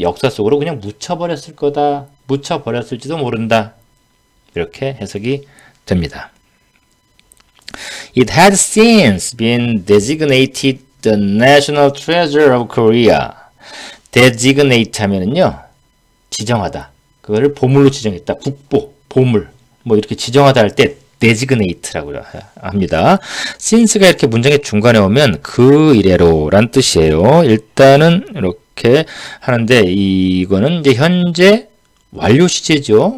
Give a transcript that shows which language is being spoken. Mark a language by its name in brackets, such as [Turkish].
[Korean] 역사 속으로 그냥 묻혀버렸을 거다. 묻혀버렸을지도 모른다. 이렇게 해석이 됩니다. [English] It had since been designated the national treasure of Korea. [Korean] Designate 하면은요, 지정하다. 그거를 보물로 지정했다. 국보, 보물. 뭐 이렇게 지정하다 할 때, designate라고 합니다. since가 이렇게 문장의 중간에 오면 그 이래로란 뜻이에요. 일단은 이렇게 하는데, 이거는 이제 현재 완료 시제죠.